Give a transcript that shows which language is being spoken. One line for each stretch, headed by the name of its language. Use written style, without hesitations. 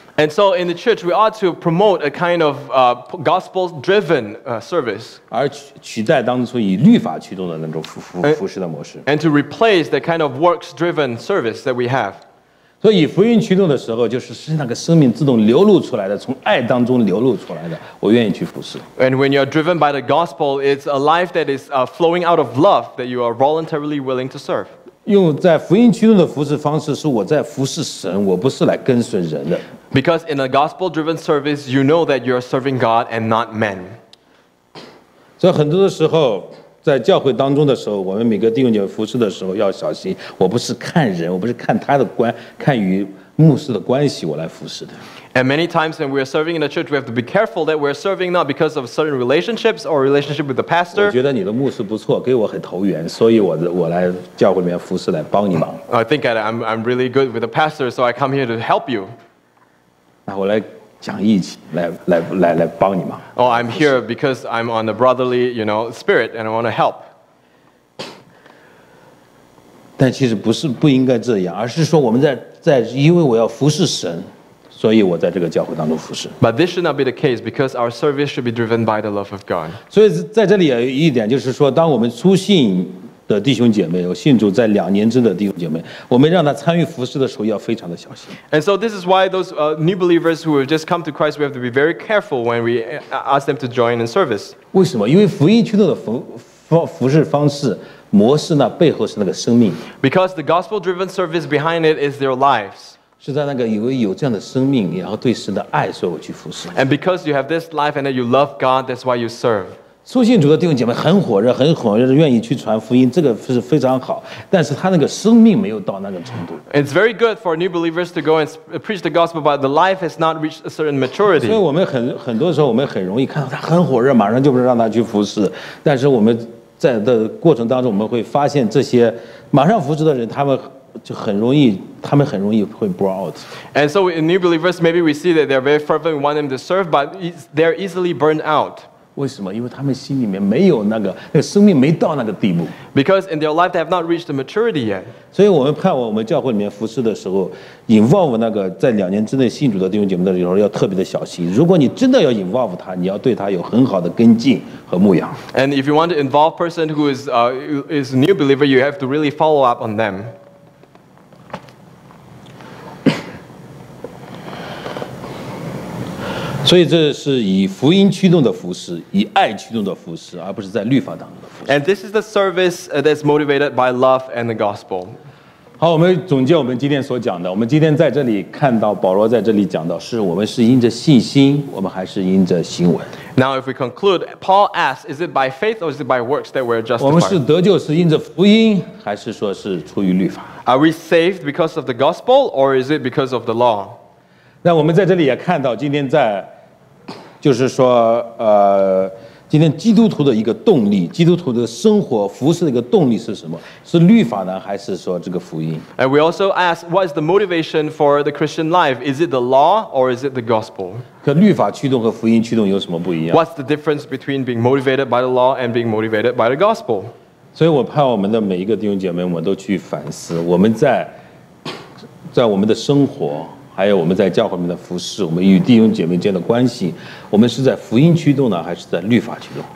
English: And so in the church, we ought to promote a kind of gospel-driven service.
Chinese: 而取代当初以律法驱动的那种服侍的模式。
English: And to replace the kind of works-driven service that we have.
Chinese: 所以以福音驱动的时候，就是那个生命自动流露出来的，从爱当中流露出来的，我愿意去服侍。
English: And when you are driven by the gospel, it's a life that is flowing out of love that you are voluntarily willing to serve.
Chinese: 用在福音驱动的服侍方式是我在服侍神，我不是来跟随人的。
English: Because in a gospel-driven service, you know that you are serving God and not men.
Chinese: 所以很多的时候，在教会当中的时候，我们每个弟兄姐妹服侍的时候要小心，我不是看人，我不是看他的关，看与牧师的关系我来服侍的。
English: And many times when we are serving in the church, we have to be careful that we are serving not because of certain relationships or relationship with the pastor.
Chinese: 我觉得你的牧师不错，给我很投缘，所以我来教会里面服侍来帮你忙。
English: I think that I'm really good with the pastor, so I come here to help you.
Chinese: 那我来讲义气，来帮你忙。
English: Oh, I'm here because I'm on the brotherly, you know, spirit, and I want to help.
Chinese: 但其实不是不应该这样，而是说我们在因为我要服侍神，所以我在这个教会当中服侍。
English: But this should not be the case because our service should be driven by the love of God.
Chinese: 所以在这里有一点，就是说，当我们出信的弟兄姐妹，有信主在两年之的弟兄姐妹，我们让他参与服侍的时候要非常的小心。
English: And so this is why those new believers who have just come to Christ, we have to be very careful when we ask them to join in service.
Chinese: 为什么？因为福音驱动的服侍方式。模式呢背后是那个生命
English: ，because the gospel-driven service behind it is their lives.
Chinese: 是在那个以为有这样的生命，然后对神的爱，所以我去服侍。
English: And because you have this life and that you love God, that's why you serve.
Chinese: 初信主的弟兄姐妹很火热，很火热，愿意去传福音，这个是非常好。但是他那个生命没有到那个程度。
English: It's very good for new believers to go and preach the gospel, but the life has not reached a certain maturity.
Chinese: 所以我们很多时候我们很容易看到他很火热，马上就是让他去服侍，但是我们。在的过程当中，我们会发现这些马上服侍的人，他们就很容易，他们很容易会 bore out.
English: And so in new believers, maybe we see that they're very fervent, we want them to serve, but they're easily burned out.
Chinese: 为什么？因为他们心里面没有那个，那个生命没到那个地步。
English: Because in their life they have not reached the maturity yet.
Chinese: 所以我们盼望我们教会里面服事的时候 ，involve 那个在两年之内信主的弟兄姐妹的时候要特别的小心。如果你真的要 involve 他，你要对他有很好的跟进和牧养。
English: And if you want to involve a person who is a new believer, you have to really follow up on them.
Chinese: 所以这是以福音驱动的服事，以爱驱动的服事，而不是在律法当中的服事。
English: And this is the service that's motivated by love and the gospel.
Chinese: 好，我们总结我们今天所讲的。我们今天在这里看到保罗在这里讲到，是我们是因着信心，我们还是因着行为。
English: Now, if we conclude, Paul asks, is it by faith or is it by works that we're justified?
Chinese: 我们是得救是因着福音，还是说是出于律法？
English: Are we saved because of the gospel or is it because of the law?
Chinese: 那我们在这里也看到今天在就是说今天基督徒的一个动力基督徒的生活服事的一个动力是什么是律法呢还是说这个福音
English: And we also ask, what is the motivation for the Christian life? Is it the law or is it the gospel?
Chinese: 可律法驱动和福音驱动有什么不一样
English: What's the difference between being motivated by the law and being motivated by the gospel?
Chinese: 所以我盼我们的每一个弟兄姐妹我们都去反思我们在我们的生活还有我们在教会里面的服事，我们与弟兄姐妹间的关系，我们是在福音驱动呢，还是在律法驱动